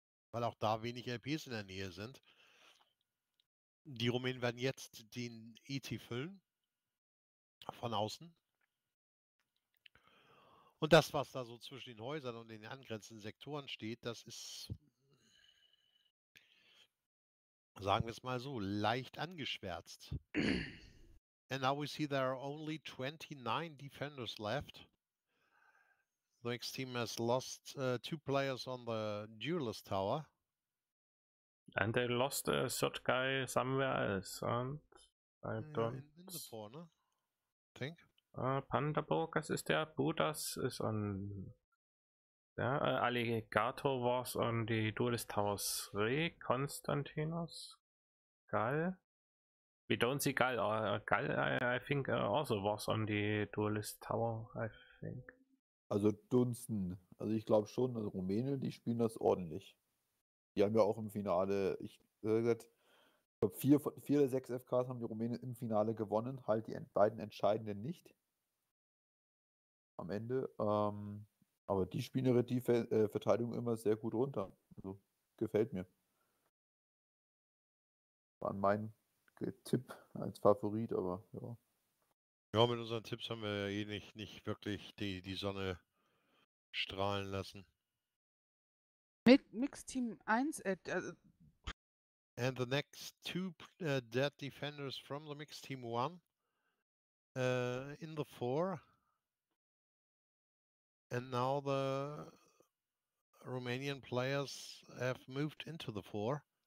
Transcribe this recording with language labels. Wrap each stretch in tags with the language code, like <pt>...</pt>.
<de>Weil auch da wenig LPs in der Nähe sind. Die Rumänen werden jetzt den ET füllen. Von außen. Und das, was da so zwischen den Häusern und den angrenzenden Sektoren steht, das ist, sagen wir es mal so, leicht angeschwärzt.</de> <en>And now we see there are only 29 defenders left. The next team has lost two players on the Duelist Tower. And they lost a third guy somewhere else. And I don't... In the poor, ne? Think.</en> <de>Pandaburg, das ist der. Budas ist on...</de> <en>Ja, Alligator was on the Duelist Towers 3. Konstantinos. Gall. We don't see Gall. Gall, I think, also was on the Duelist Tower, I think.</en> <de>Also Dunsten. Also ich glaube schon, also Rumänien, die spielen das ordentlich. Die haben ja auch im Finale, vier der sechs FKs haben die Rumänen im Finale gewonnen, halt die beiden entscheidenden nicht am Ende. Aber die spielen ihre Verteidigung immer sehr gut runter. Also, gefällt mir. War mein Tipp als Favorit, aber ja. Ja, mit unseren Tipps haben wir ja eh nicht wirklich die Sonne strahlen lassen. Mit Mixteam 1</de> <en>and the next two dead defenders from the Mixteam 1 in the 4 And now the Romanian players have moved into the four.</en>